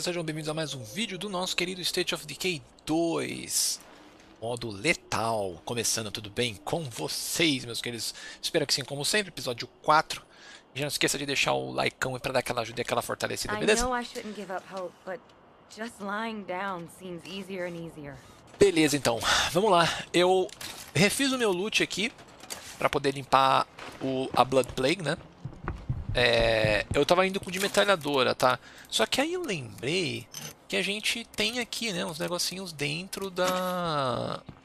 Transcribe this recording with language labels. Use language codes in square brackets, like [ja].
[pt] Sejam bem-vindos a mais um vídeo do nosso querido State of Decay 2. Modo letal. Começando, tudo bem com vocês, meus queridos? Espero que sim, como sempre, episódio 4. Já não esqueça de deixar o like pra dar aquela ajuda e aquela fortalecida, [en] I [pt] beleza? [en] know I shouldn't give up hope, but just lying down seems easier and easier. [pt] Beleza, então. Vamos lá. Eu refiz o meu loot aqui pra poder limpar a Blood Plague, né? Eu tava indo com de metralhadora, tá? Só que aí eu lembrei que a gente tem aqui, né, uns negocinhos dentro da...